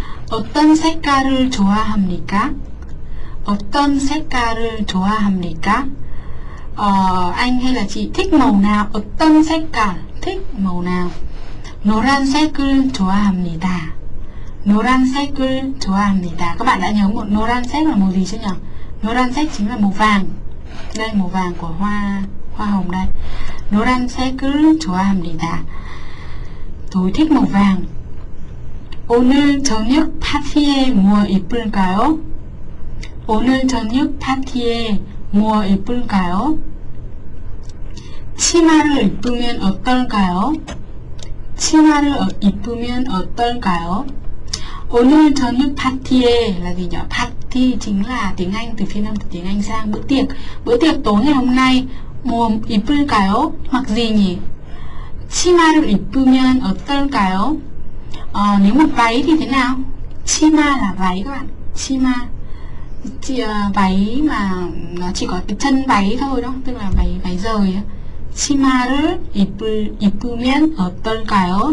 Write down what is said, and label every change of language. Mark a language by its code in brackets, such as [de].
[ko] 어떤 색깔을 좋아합니까? 어떤 색깔을 좋아합니까? [vi] Anh hay là chị thích màu nào? [ko] 어떤 색깔, [vi] thích màu nào? [ko] 노란색을 좋아합니다. 노란색을 좋아합니다. [vi] Các bạn đã nhớ 노란색 là màu gì chưa nhỉ? 노란색 chính là màu vàng. Đây màu vàng của hoa hồng đây. [ko] 노란색을 좋아합니다. [vi] Tôi thích màu vàng. [ko] 오늘 저녁 파티에 뭐 입을까요? 오늘 저녁 파티에 뭐 입을까요? 치마를 입으면 어떨까요? 치마를 입으면 어떨까요? 오늘 저녁 파티에 [vi] là gì nhỉ? 파티 chính là tiếng Anh, từ phiên âm từ tiếng Anh sang bữa tiệc. Bữa tiệc tối ngày hôm nay [ko] 뭐 입을까요? [vi] Mặc gì nhỉ? [ko] 치마를 입으면 어떨까요? [vi] Nếu mặc váy thì thế nào? 치마 là váy các bạn. 치마 chị váy mà nó chỉ có cái chân váy thôi đó, tức là váy rời. [ko] 치마를 입으면 어떨까요?